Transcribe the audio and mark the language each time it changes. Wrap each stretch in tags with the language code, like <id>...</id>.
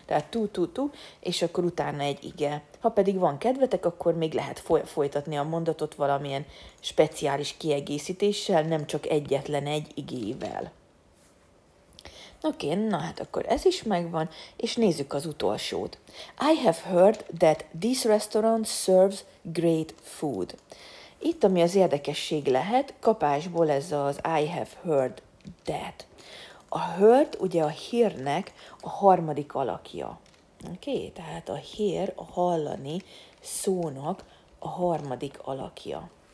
<hu>Tehát tú, és akkor utána egy ige. Ha pedig van kedvetek, akkor még lehet folytatni a mondatot valamilyen speciális kiegészítéssel, nem csak egyetlen egy igével. Oké, okay, na hát akkor ez is megvan, és nézzük az utolsót.</hu> <en>I have heard that this restaurant serves great food.</en> <hu>Itt, ami az érdekesség lehet, kapásból ez az</hu> <en>I have heard that.</en> <hu>A heard ugye a hírnek a harmadik alakja. Oké, okay, tehát a hír a hallani szónak a harmadik alakja.</hu>